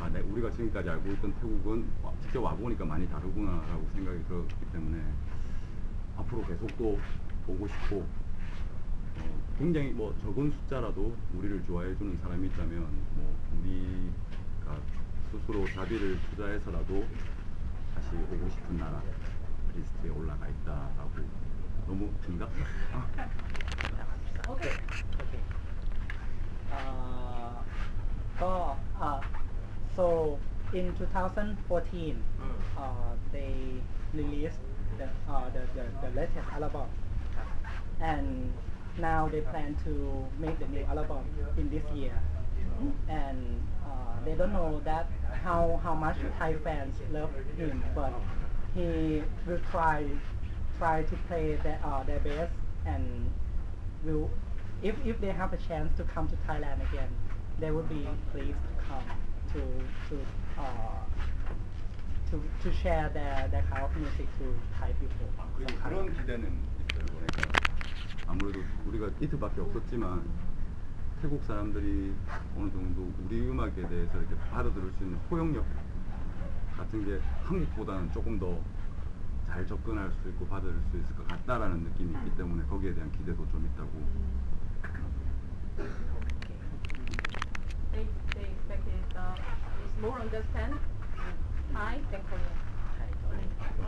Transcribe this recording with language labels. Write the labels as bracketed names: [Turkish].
[Korean] 우리가 지금까지 알고 있던 태국은 직접 와보니까 많이 다르구나라고 생각이 들었기 때문에 앞으로 계속 또 보고 싶고 굉장히 뭐 적은 숫자라도 우리를 좋아해 주는 사람이 있다면 뭐 우리가 스스로 자비를 투자해서라도 다시 오고 싶은 나라 리스트에 올라가 있다라고 너무 든가? 오케이 오케이 [English] So in 2014, they released the latest album, and now they plan to make the new album in this year. Mm-hmm. And they don't know that how much Thai fans love him, but he will try to play their best, and will if they have a chance to come to Thailand again, they would be pleased to come to share their kind of music to Thai people. [Korean] 그런 기대는 있어요. 그러니까 아무래도 우리가 이틀밖에 없었지만 태국 사람들이 어느 정도 우리 음악에 대해서 이렇게 받아들일 수 있는 포용력 같은 게 한국보다는 조금 더 잘 접근할 수 있고 받아들일 수 있을 것 같다라는 느낌이 있기 때문에 거기에 대한 기대도 좀 있다고. [English] They expected it's more understand Thai than Korean.